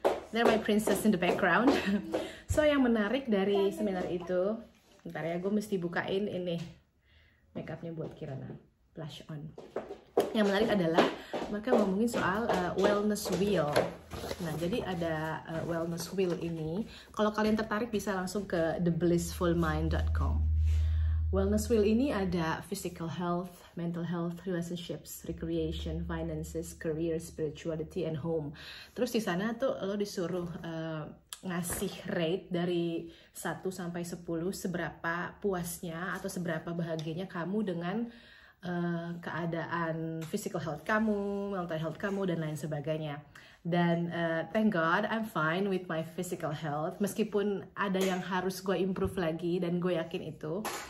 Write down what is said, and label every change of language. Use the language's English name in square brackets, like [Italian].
[English] They're my princess in the background. [Indonesian] So yang menarik dari seminar itu, ntar ya gue mesti bukain ini makeupnya buat Kirana, blush on. Yang menarik adalah mereka ngomongin soal wellness wheel. Nah, jadi ada wellness wheel ini. Kalau kalian tertarik bisa langsung ke theblissfulmind.com. [English] Wellness wheel [Indonesian] ini ada [English] physical health, mental health, relationships, recreation, finances, career, spirituality, and home. [Indonesian] Terus di sana tuh lo disuruh ngasih rate dari 1 sampai 10 seberapa puasnya atau seberapa bahagianya kamu dengan keadaan physical health kamu, mental health kamu, dan lain sebagainya. [English] Dan thank God I'm fine with my physical health. [Indonesian] Meskipun ada yang harus gue improve lagi dan gue yakin itu.